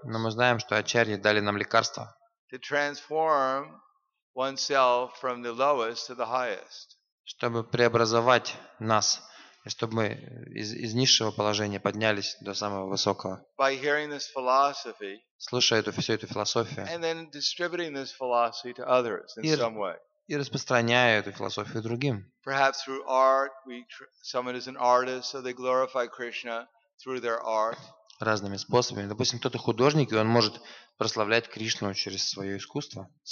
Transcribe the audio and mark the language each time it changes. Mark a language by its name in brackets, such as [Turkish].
[Russian] Но мы знаем, что ачарьи дали нам лекарства. [English] To transform oneself from the lowest to the highest. [Russian] Чтобы преобразовать нас, чтобы мы из низшего положения поднялись до самого высокого. [English] By hearing this philosophy. [Russian] Слушая всю эту философию. [English] And then distributing this philosophy to others in some way. [Russian] И распространяя эту философию другим. [English] Perhaps through art, someone is an artist, so they glorify Krishna through their art. [Russian] Разными способами. Допустим, кто-то художник, и он может прославлять Кришну через свое искусство.